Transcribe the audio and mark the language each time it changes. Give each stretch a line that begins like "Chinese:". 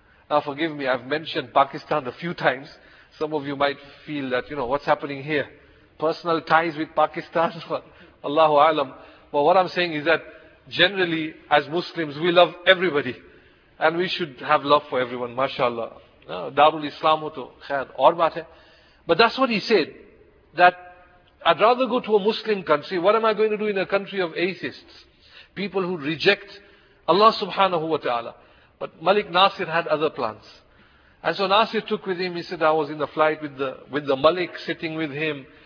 English: Now forgive me, I've mentioned Pakistan a few times. Some of you might feel that, you know, what's happening here? Personal ties with Pakistan? Allahu alam. But what I'm saying is that generally, as Muslims, we love everybody. And we should have love for everyone, mashallah.
Urdu: Darul Islam ہو تو خیر، اور بات ہے۔
English: But that's what he said, that I'd rather go to a Muslim country. What am I going to do in a country of atheists? People who reject Allah subhanahu wa ta'ala. But Malik Nasir had other plans. And so Nasir took with him, he said, I was in the flight with the Malik, sitting with him.